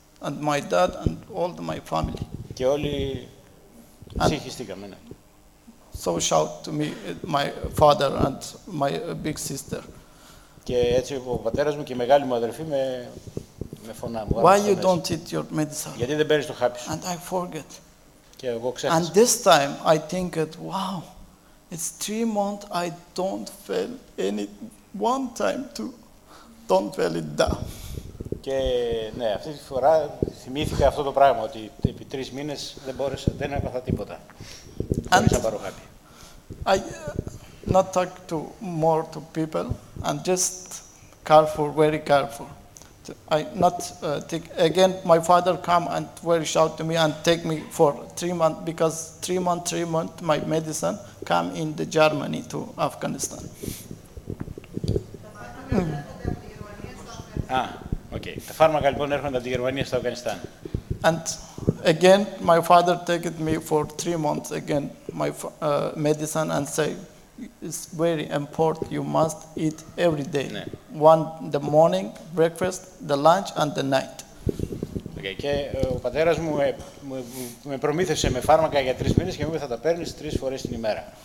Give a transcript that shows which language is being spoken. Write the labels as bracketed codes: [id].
[en] And my dad and all my family. [el] Και όλοι ψυχιστήκαμε, ναι. [en] So shout to me, my father and my big sister. [el] Και έτσι ο πατέρας μου και η μεγάλη μου αδερφή με φωνά μου. [en] Why you don't eat your medicine? [el] Γιατί δεν παίρνεις το χάπι σου. [en] And I forget. [el] Και εγώ ξέχασα. [en] And this time I think it, wow. It's 3 months I don't fail any one time to don't fail it down. [el] Και ναι, αυτή τη φορά θυμήθηκα αυτό το πράγμα, ότι επί 3 μήνες δεν μπόρεσα, δεν έπαθα τίποτα. Δεν θα πάρω κάτι. [en] I not talk to more to people and just careful, very careful. I not take again my father come and very shout to me and take me for 3 months because three months my medicine come in the Germany to Afghanistan. Ah, okay. [el] The φάρμακα λοιπόν έρχονται από τη Γερμανία στο Αφγανιστάν. [en] And again my father take me for 3 months again my medicine and say it's very important you must eat every day. One the morning breakfast, the lunch and the night. [el] Okay, και ο πατέρας μου με προμήθευσε με φάρμακα για 3 μήνες και μου θα τα παίρνεις 3 φορές την ημέρα.